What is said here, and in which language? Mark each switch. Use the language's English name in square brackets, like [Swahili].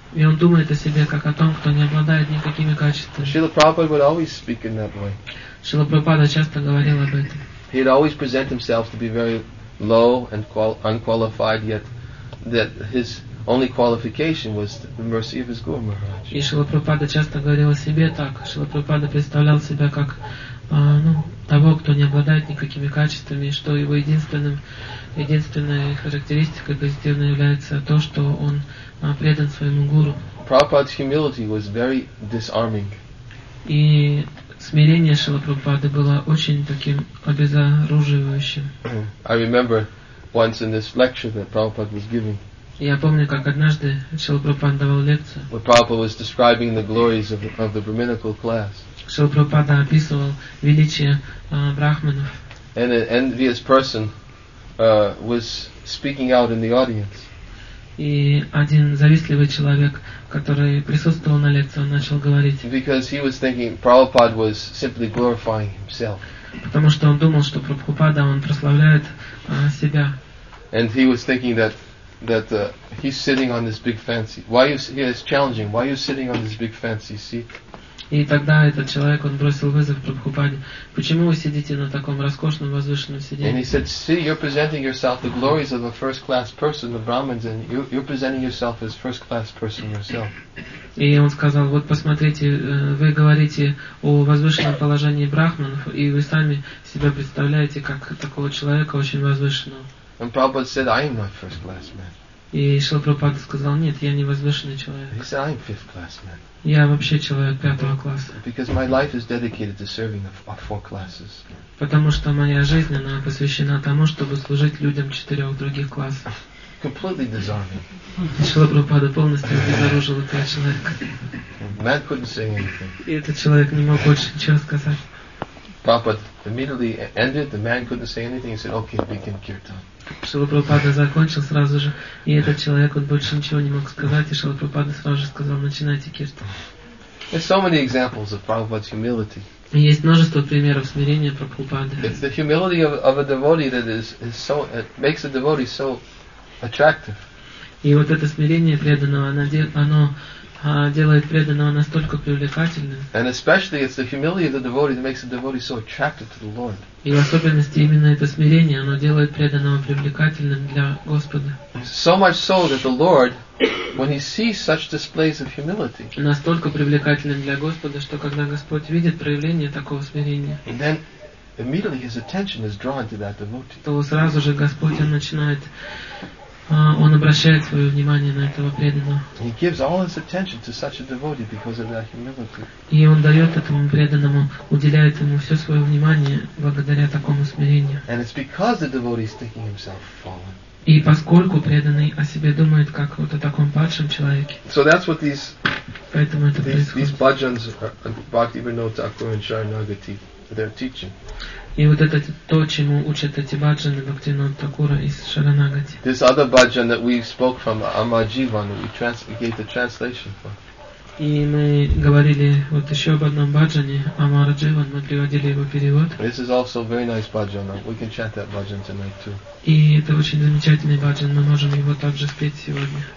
[Russian] И он думает о себе как о том, кто не обладает никакими качествами. [English] Шрила Прабхупада would always speak in that way. [Russian] Шрила Прабхупада часто говорил об этом. [English] He would always present himself to be very low and unqualified, yet that his only qualification was the mercy of his Guru Maharaj. [Russian] И Шрила Прабхупада часто говорил о себе так. Шрила Прабхупада представлял себя как того, кто не обладает никакими качествами, что его единственной характеристикой позитивной является то, что он предан своему гуру. [English] Prabhupada's humility was very disarming. [Russian] И смирение Шрилы Прабхупады было очень таким обезоруживающим. [English] I remember once in this lecture that Prabhupada was giving. [Russian] Я помню, как однажды Шрила Прабхупада давал лекцию. [English] Where Prabhupada was describing the glories of the brahminical class. [Russian] Шрила Прабхупада описывал величие брахманов. [English] And an envious person was speaking out in the audience. [Russian] И один завистливый человек, который присутствовал на лекции, он начал говорить. [English] Because he was thinking Prabhupada was simply glorifying himself. [Russian] Потому что он думал, что Прабхупада он прославляет себя. [English] And he was thinking that he's sitting on this big fancy. He is challenging. Why are you sitting on this big fancy seat? [Russian] И тогда этот человек, он бросил вызов Прабхупаде. Почему вы сидите на таком роскошном, возвышенном сиденье? [English] And he said, see, you're presenting yourself the glories of a first-class person, the Brahmins, and you're presenting yourself as first-class person yourself. [Russian] И он сказал, вот посмотрите, вы говорите о возвышенном положении брахманов, и вы сами себя представляете как такого человека очень возвышенного. [English] And Prabhupada said, I am not first-class man. [Russian] И Шрила Прабхупада сказал, нет, я не возвышенный человек. [English] He said, I am fifth-class man. [Russian] Я вообще человек пятого класса. [English] Because my life is dedicated to serving the four classes. [Russian] Потому что моя жизнь, она посвящена тому, чтобы служить людям четырех других классов. [English] Completely disarming. [Russian] Шрила Прабхупада полностью обезоружил этого человека. [English] Man couldn't say anything. [Russian] И этот человек не мог больше ничего сказать. [English] Prabhupada immediately ended, the man couldn't say anything, he said, okay, begin kirtan. [Russian] Шрила Прабхупада закончил сразу же, и этот человек вот больше ничего не мог сказать, и Шрила Прабхупада сразу же сказал, начинайте киртан. [English] There's so many examples of Prabhupada's humility. [Russian] Есть множество примеров смирения Прабхупады. [English] It's the humility of a devotee that is so it makes a devotee so attractive. [Russian] И вот это смирение преданного, оно делает преданного настолько привлекательным. [English] And especially it's the humility of the devotee that makes the devotee so attractive to the Lord. [Russian] И в особенности именно это смирение, оно делает преданного привлекательным для Господа. [English] So much so that the Lord, when he sees such displays of humility, [Russian] настолько привлекательным для Господа, что когда Господь видит проявление такого смирения, [English] then immediately his attention is drawn to that devotee. [Russian] То сразу же Господь начинает он обращает свое внимание на этого преданного. [English] He gives all his attention to such a devotee because of that humility. [Russian] И он дает этому преданному, уделяет ему все свое внимание благодаря такому смирению. [English] And it's because the devotee is thinking himself fallen. [Russian] И поскольку преданный о себе думает как вот о таком падшем человеке. [English] So that's what these. [Russian] Поэтому это происходит. [English] These bhajans, Bhaktivinoda Thakur and Sharanagati, they're teaching. [Russian] И вот это то, чему учат эти баджаны Бхактинода Такура из Шаранагати. [English] This other bhajan that we spoke from, Amarjivan, we gave the translation for. [Russian] И мы говорили вот еще об одном баджане, о Мараджеван, мы приводили его перевод. [English] This is also very nice bhajan. We can chant that bhajan tonight too. [Russian] И это очень замечательный баджан, мы можем его также спеть сегодня.